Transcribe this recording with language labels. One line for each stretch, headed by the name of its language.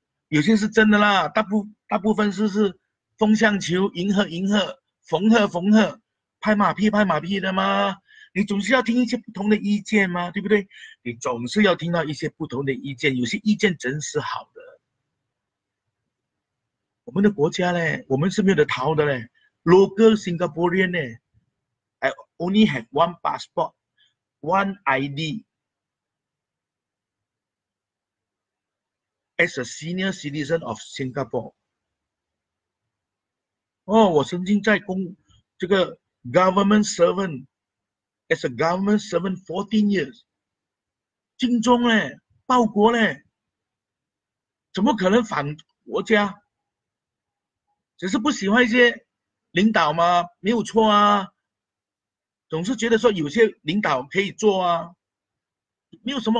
Chinese: 有些是真的啦，大部分是风向球，迎合迎合，缝合缝合，拍马屁的吗？你总是要听一些不同的意见嘛，对不对？你总是要听到一些不同的意见，有些意见真是好的。我们的国家嘞，我们是没有得逃的嘞。
English: Local Singaporean 呢，I only have one passport, one ID. As a senior citizen of Singapore.
Chinese: 哦，我曾经在这个 government servant。
English: As a government servant, 14 years，
Chinese: 尽忠嘞，报国嘞，怎么可能反国家？只是不喜欢一些领导吗？没有错啊，总是觉得说有些领导可以做啊，没有什么。